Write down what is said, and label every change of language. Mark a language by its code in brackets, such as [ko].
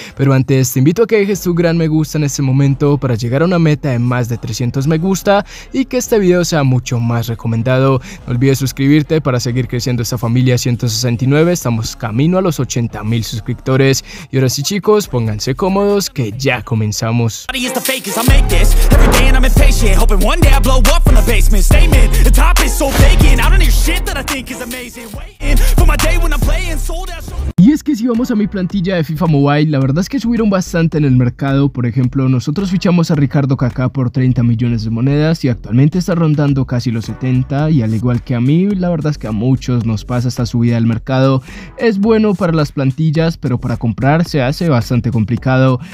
[es] Pero antes te invito a que dejes tu gran me gusta en este momento para llegar a una meta de más de 300 me gusta y que este video sea mucho más recomendado. No olvides suscribirte para seguir creciendo esta familia 169, estamos camino a los 80 mil suscriptores. Y ahora sí chicos, pónganse cómodos que ya comenzamos. [en] Is the fake as I make this every day, and I'm impatient, hoping one day I blow up from the basement. Statement: the top is so vacant. I don't hear shit that I think is amazing. Waiting for my day when I'm playing sold out. [es] Y es que si vamos a mi plantilla de FIFA Mobile, la verdad es que subieron bastante en el mercado. Por ejemplo, nosotros fichamos a Ricardo Kaká por 30 millones de monedas y actualmente está rondando casi los 70. Y al igual que a mí, la verdad es que a muchos nos pasa esta subida del mercado. Es bueno para las plantillas, pero para comprar se hace bastante complicado.